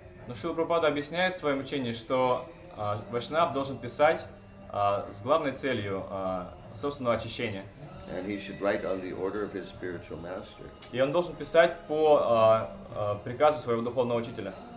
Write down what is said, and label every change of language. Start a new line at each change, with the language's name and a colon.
Russian: Но Шрила Прабхупада объясняет в своем учении, что Вайшнав должен писать с главной целью собственного очищения.
English: And he should write on the order of his spiritual master.
Russian: И он должен писать по приказу своего духовного учителя.